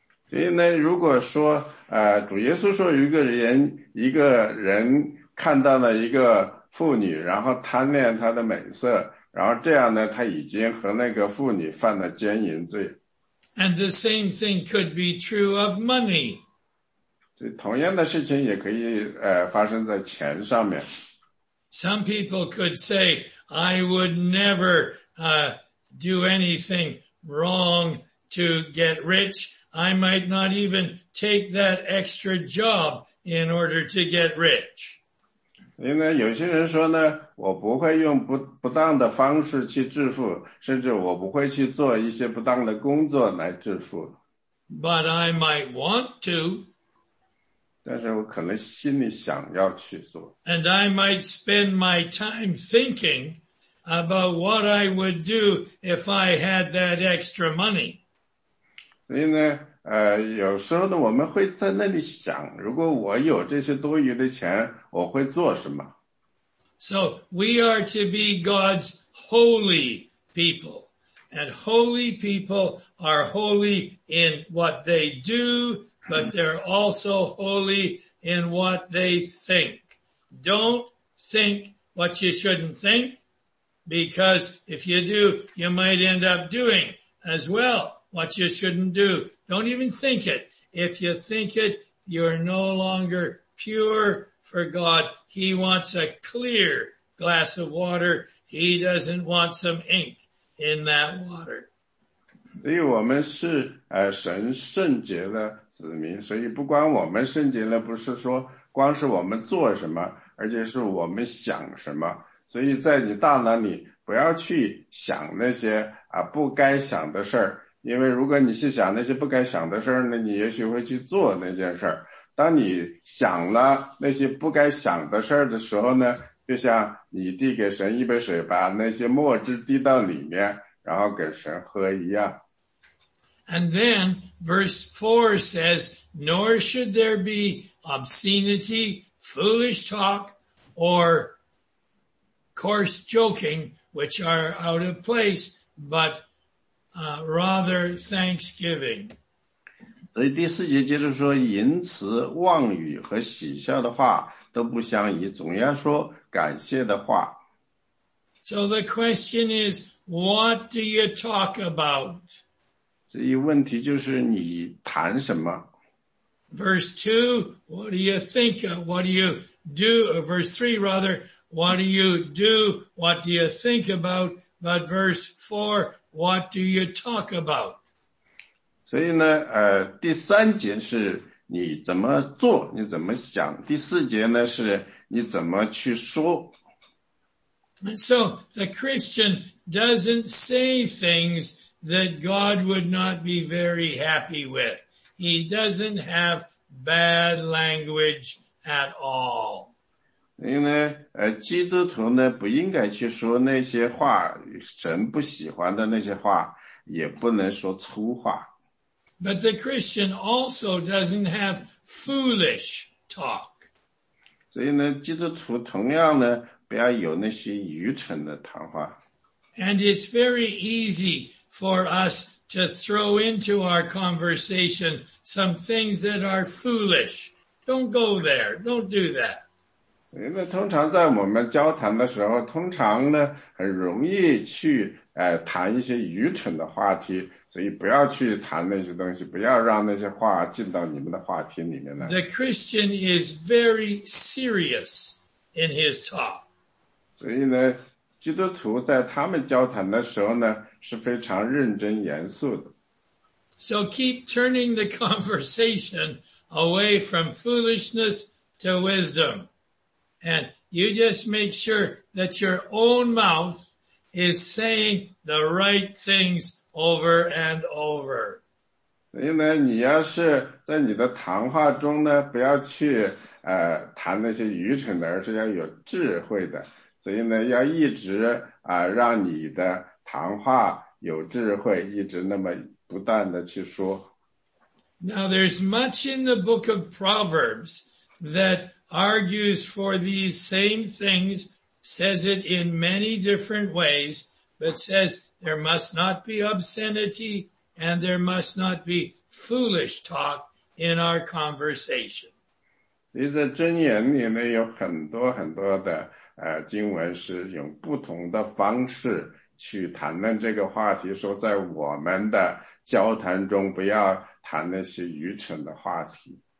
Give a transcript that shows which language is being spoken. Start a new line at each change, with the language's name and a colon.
Chinese: 所以呢，如果说主耶稣说一个人看到了一个妇女，然后贪恋她的美色。然后这样呢，他已经和那个妇女犯了奸淫罪。
English: And the same thing could be true of money.
Chinese: 所以同样的事情也可以发生在钱上面。
English: Some people could say, I would never do anything wrong to get rich. I might not even take that extra job in order to get rich.
Chinese: 所以呢，有些人说呢，我不会用不当的方式去致富，甚至我不会去做一些不当的工作来致富。
English: But I might want to.
Chinese: 但是我可能心里想要去做。
English: And I might spend my time thinking about what I would do if I had that extra money.
Chinese: 所以呢，有时候呢，我们会在那里想，如果我有这些多余的钱，我会做什么？
English: So we are to be God's holy people. And holy people are holy in what they do, but they're also holy in what they think. Don't think what you shouldn't think, because if you do, you might end up doing as well what you shouldn't do. Don't even think it. If you think it, you're no longer pure. For God, He wants a clear glass of water. He doesn't want some ink in that water.
Chinese: 所以我们是神圣洁的子民，所以不光我们圣洁了，不是说光是我们做什么，而且是我们想什么。所以在你大脑里不要去想那些不该想的事儿，因为如果你去想那些不该想的事儿，那你也许会去做那件事儿。当你想了那些不该想的事儿的时候呢，就像你递给神一杯水，把那些墨汁滴到里面，然后给神喝一样。
English: And then verse 4 says, nor should there be obscenity, foolish talk, or coarse joking, which are out of place, but rather thanksgiving.
Chinese: 所以第四节接着说，淫词、妄语和喜笑的话都不相宜，总要说感谢的话。
English: So the question is, what do you talk about?
Chinese: 所以问题就是你谈什么。
English: Verse 2, what do you think of? What do you do? Verse 3, rather, what do you do? What do you think about? But verse 4, what do you talk about?
Chinese: 所以呢第三节是你怎么做你怎么想第四节呢是你怎么去说。
English: And so, the Christian doesn't say things that God would not be very happy with. He doesn't have bad language at all.
Chinese: 所以呢基督徒呢不应该去说那些话神不喜欢的那些话也不能说粗话。
English: But the Christian also doesn't have foolish talk.
Chinese: 所以呢基督徒同样呢不要有那些愚蠢的谈话。
English: And it's very easy for us to throw into our conversation some things that are foolish. Don't go there. Don't do that.
Chinese: 所以呢通常在我们交谈的时候通常呢很容易去谈一些愚蠢的话题。所以不要去谈那些东西不要让那些话进到你们的话题里面来。
English: The Christian is very serious in his talk.
Chinese: 所以呢基督徒在他们交谈的时候呢是非常认真严肃的。
English: So keep turning the conversation away from foolishness to wisdom. And you just make sure that your own mouth is saying the right things over and over.
Chinese: 所以呢你要是在你的谈话中呢不要去谈那些愚蠢的而是要有智慧的。所以呢要一直让你的谈话有智慧一直那么不断的去说。
English: Now there's much in the book of Proverbs that argues for these same things, says it in many different ways, but says,There must not be obscenity and there must not be foolish talk in our conversation.
Chinese: 在箴言里面有很多很多的经文是用不同的方式去谈论这个话题说在我们的交谈中不要谈那些愚蠢的话题。